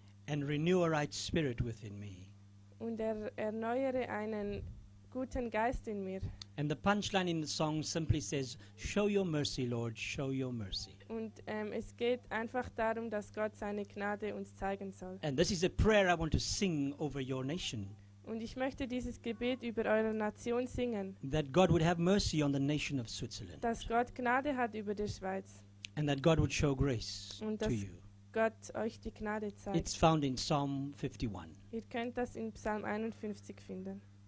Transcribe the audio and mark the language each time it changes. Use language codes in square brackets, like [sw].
[en] And renew a right spirit within me. [de] Und erneuere einen guten Geist in mir. [en] And the punchline in the song simply says, show your mercy, Lord, show your mercy. [de] Und es geht einfach darum, dass Gott seine Gnade uns zeigen soll. [en] And this is a prayer I want to sing over your nation. [de] Und ich möchte dieses Gebet über eure Nation singen. [en] That God would have mercy on the nation of Switzerland. [de] Dass Gott Gnade hat über der Schweiz. [en] And that God would show grace [de] und dass [en] to you. [de] Gott euch die Gnade zeigt. [en] It's found in Psalm 51. [de] Ihr könnt das in Psalm 51 finden.